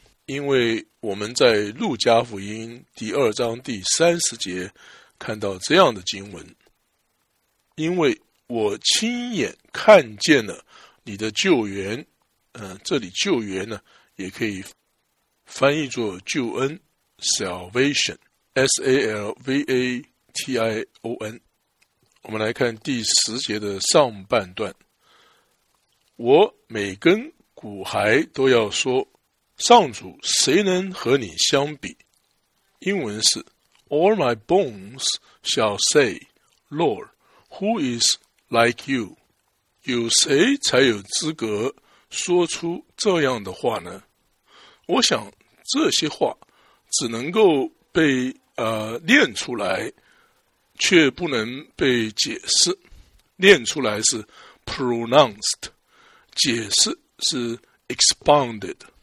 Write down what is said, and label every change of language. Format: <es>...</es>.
<zh>因为我们在路加福音第二章第三十节看到这样的经文，因为我亲眼看见了你的救援，这里救援呢也可以翻译作救恩 salvation salvation。我们来看第十节的上半段，我每根骨骸都要说，上主谁能和你相比。</zh> <en>英文是 All my bones shall say, Lord, who is like you?</en> <zh>有谁才有资格说出这样的话呢？我想这些话只能够被练出来，却不能被解释。练出来是 pronounced, 解释是 expounded。</zh>